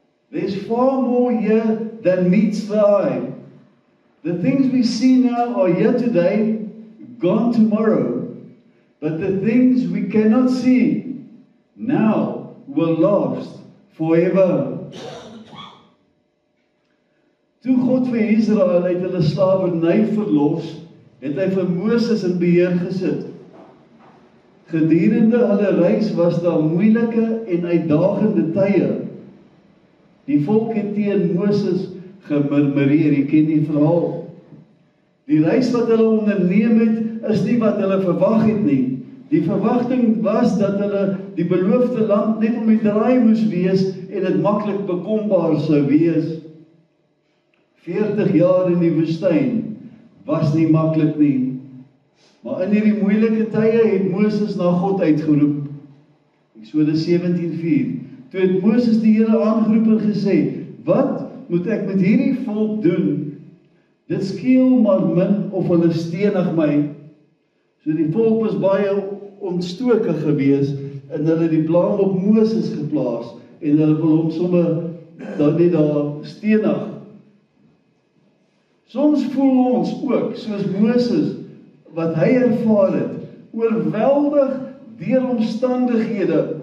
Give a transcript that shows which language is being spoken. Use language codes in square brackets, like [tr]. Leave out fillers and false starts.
[en] There's far more here than meets the eye. The things we see now are here today, gone tomorrow. But the things we cannot see now will last forever. [af] Toe God vir Israel uit hulle slawerny verlos, het hy vir Moses in beheer gesit. Gedurende hulle reis was daar moeilike en uitdagende tye. Die volk het teen Moses gemurmureer, jy ken die verhaal. Die reis wat hulle onderneem het, is nie wat hulle verwag het nie. Die verwagting was dat hulle die beloofde land net om die draai moes wees en het maklik bekombaar sou wees. 40 jaar in die woestyn was nie maklik nie. Maar in hierdie moeilike tye het Moses na God uitgeroep. Eksodus 17:4. Toe het Moses die Here aangeroep en gesê, wat moet ek met hierdie volk doen? Dit skeel maar min of hulle stenig my. So die volk was baie ontstoke gewees en hulle die blaam op Moses geplaas en hulle wil hom sommer dan net daar stenig. Soms voel ons ook soos Moses wat hy ervaar het, oorweldig deur omstandighede.